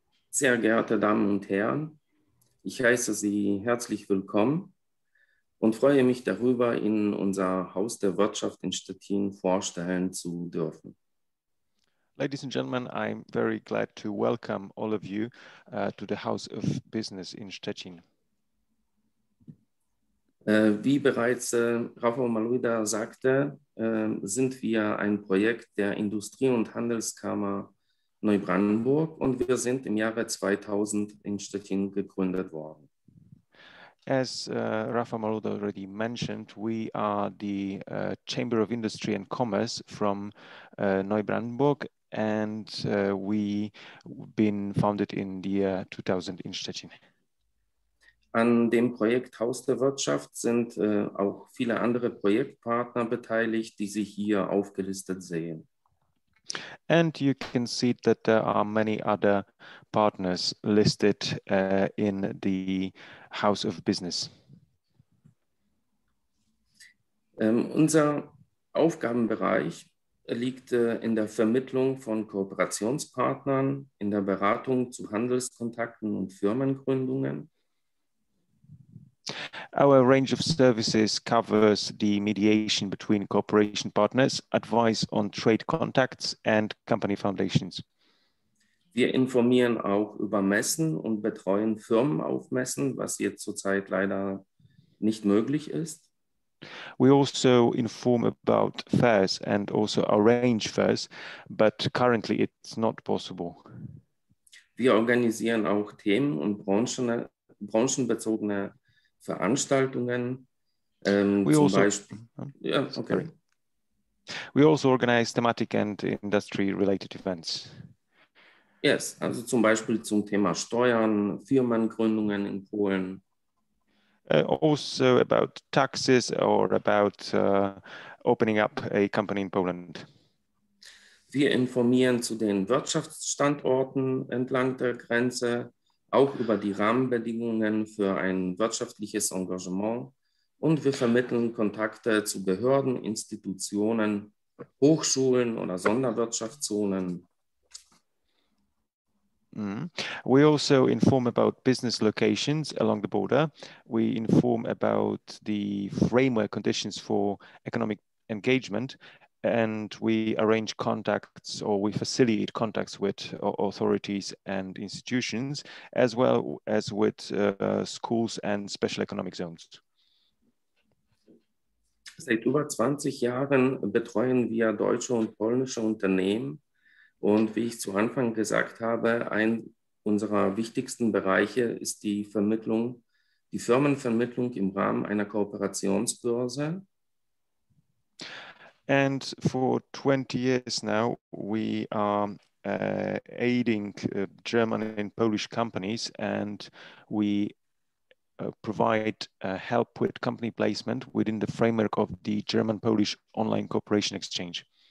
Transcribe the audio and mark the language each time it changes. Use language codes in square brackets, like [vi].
[de] Sehr geehrte Damen und Herren, ich heiße Sie herzlich willkommen und freue mich darüber, Ihnen unser Haus der Wirtschaft in Stettin vorstellen zu dürfen. [en] Ladies and gentlemen, I'm very glad to welcome all of you to the House of Business in Stettin. [de] Wie bereits Rafał Malujda sagte, sind wir ein Projekt der Industrie- und Handelskammer Neubrandenburg und wir sind im Jahre 2000 in Stettin gegründet worden. [en] As Rafa Malud already mentioned, we are the Chamber of Industry and Commerce from Neubrandenburg, and we've been founded in the year 2000 in Stettin. [de] An dem Projekt Haus der Wirtschaft sind auch viele andere Projektpartner beteiligt, die sich hier aufgelistet sehen. [en] And you can see that there are many other partners listed in the House of Business. [de] Unser Aufgabenbereich liegt in der Vermittlung von Kooperationspartnern, in der Beratung zu Handelskontakten und Firmengründungen. [en] Our range of services covers the mediation between cooperation partners, advice on trade contacts and company foundations. [de] Wir informieren auch über Messen und betreuen Firmen auf Messen, was jetzt zurzeit leider nicht möglich ist. [en] We also inform about fairs and also arrange fairs, but currently it's not possible. [de] Wir organisieren auch Themen und branchenbezogene Veranstaltungen, [en] We also organize thematic and industry-related events. [de] Yes, also zum Beispiel zum Thema Steuern, Firmengründungen in Polen. [en] Also about taxes or about opening up a company in Poland. [de] Wir informieren zu den Wirtschaftsstandorten entlang der Grenze, auch über die Rahmenbedingungen für ein wirtschaftliches Engagement. Und wir vermitteln Kontakte zu Behörden, Institutionen, Hochschulen oder Sonderwirtschaftszonen. [en] We also inform about business locations along the border. We inform about the framework conditions for economic engagement. And we arrange contacts or we facilitate contacts with authorities and institutions, as well as with schools and special economic zones. [de] Seit über 20 Jahren betreuen wir deutsche und polnische Unternehmen. Und wie ich zu Anfang gesagt habe, ein unserer wichtigsten Bereiche ist die Vermittlung, die Firmenvermittlung im Rahmen einer Kooperationsbörse. [en] And for 20 years now, we are aiding German and Polish companies, and we provide help with company placement within the framework of the German-Polish online cooperation exchange.